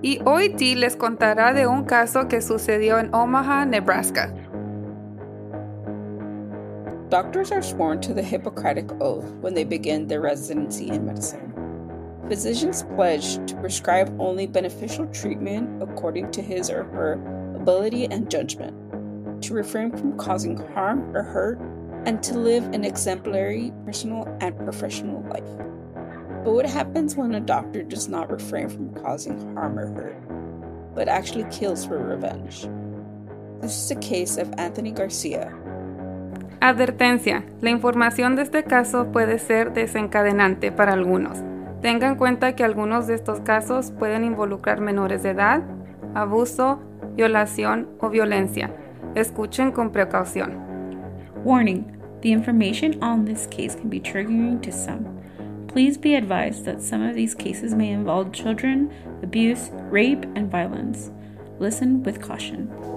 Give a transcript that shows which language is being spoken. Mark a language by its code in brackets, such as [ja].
[es] Y hoy Dee les contará de un caso que sucedió en Omaha, Nebraska. [en] Doctors are sworn to the Hippocratic Oath when they begin their residency in medicine. Physicians pledge to prescribe only beneficial treatment according to his or her ability and judgment, to refrain from causing harm or hurt, and to live an exemplary personal and professional life. But what happens when a doctor does not refrain from causing harm or hurt, but actually kills for revenge? This is the case of Anthony Garcia. [es] Advertencia, la información de este caso puede ser desencadenante para algunos. Tenga en cuenta que algunos de estos casos pueden involucrar menores de edad, abuso, violación o violencia. Escuchen con precaución. [en] Warning, the information on this case can be triggering to some. Please be advised that some of these cases may involve children, abuse, rape, and violence. Listen with caution.